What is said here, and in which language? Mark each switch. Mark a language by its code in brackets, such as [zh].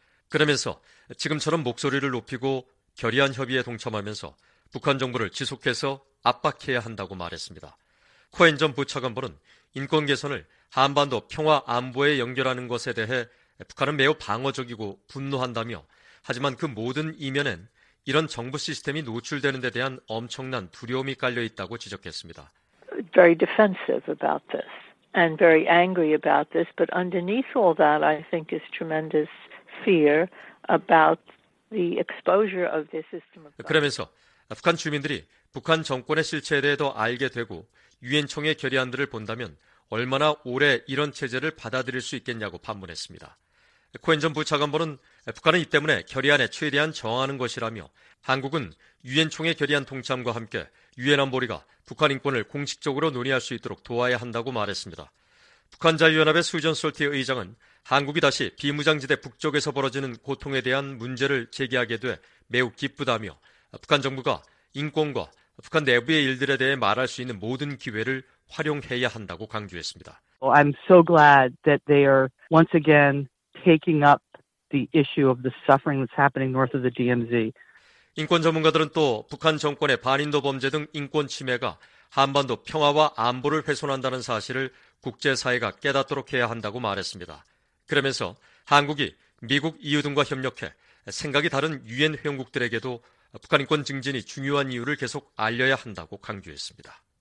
[ko] 그러면서 지금처럼 목소리를 높이고 결의안 협의에 동참하면서 북한 정부를 지속해서 압박해야 한다고 말했습니다. 코엔 전 부차관보는 인권 개선을 한반도 평화 안보에 연결하는 것에 대해 북한은 매우 방어적이고 분노한다며 하지만 그 모든 이면엔 이런 정부 시스템이 노출되는 데 대한 엄청난 두려움이 깔려 있다고 지적했습니다. [en] Very defensive about this and very angry about this, but underneath all that I think is tremendous fear about the exposure of this system. [ko] 그러면서 북한 주민들이 북한 정권의 실체에 대해 더 알게 되고 유엔 총회 결의안들을 본다면 얼마나 오래 이런 체제를 받아들일 수 있겠냐고 반문했습니다. 코엔 전 부차관보는 북한은 이 때문에 결의안에 최대한 저항하는 것이라며 한국은 유엔 총회 결의안 동참과 함께 유엔 안보리가 북한 인권을 공식적으로 논의할 수 있도록 도와야 한다고 말했습니다. 북한 자유연합의 수전 솔티 의장은 한국이 다시 비무장지대 북쪽에서 벌어지는 고통에 대한 문제를 제기하게 돼 매우 기쁘다며 북한 정부가 인권과 북한 내부의 일들에 대해 말할 수 있는 모든 기회를 활용해야 한다고 강조했습니다. [en] I'm so glad that they are once again taking up the issue of the suffering that's happening north of the DMZ. [ko] 인권 전문가들은 또 북한 정권의 반인도 범죄 등 인권 침해가 한반도 평화와 안보를 훼손한다는 사실을 국제 사회가 깨닫도록 해야 한다고 말했습니다. 그러면서 한국이 미국 EU 등과 협력해 생각이 다른 유엔 회원국들에게도 북한 인권 증진이 중요한 이유를 계속 알려야 한다고 강조했습니다.